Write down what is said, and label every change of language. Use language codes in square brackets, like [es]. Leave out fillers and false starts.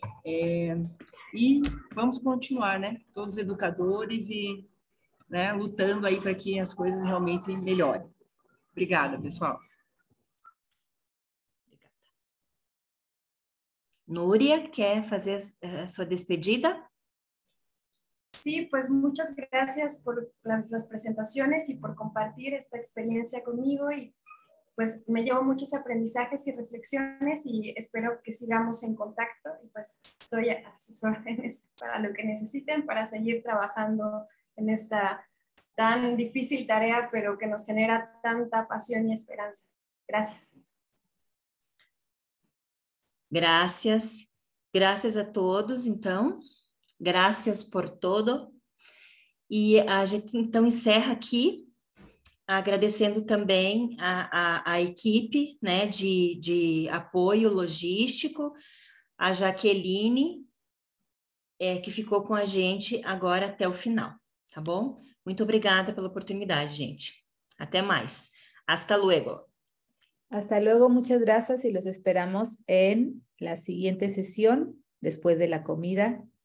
[pt] E vamos continuar, né, todos educadores e, né, lutando aí para que as coisas realmente melhorem. Obrigada, pessoal. Obrigada. Núria, quer fazer a sua despedida? [es] Sí, pues muchas gracias por las presentaciones y por compartir esta experiencia conmigo y pues me llevo muchos aprendizajes y reflexiones y espero que sigamos en contacto y pues estoy a sus órdenes para lo que necesiten para seguir trabajando en esta tan difícil tarea pero que nos genera tanta pasión y esperanza. Gracias. Gracias. Gracias a todos, entonces. [pt] Graças por todo. E a gente então encerra aqui, agradecendo também a equipe, né, de apoio logístico, a Jacqueline, que ficou com a gente agora até o final, tá bom? Muito obrigada pela oportunidade, gente. Até mais. [es] Hasta luego. Hasta luego, muchas gracias y los esperamos en la siguiente sesión, después de la comida.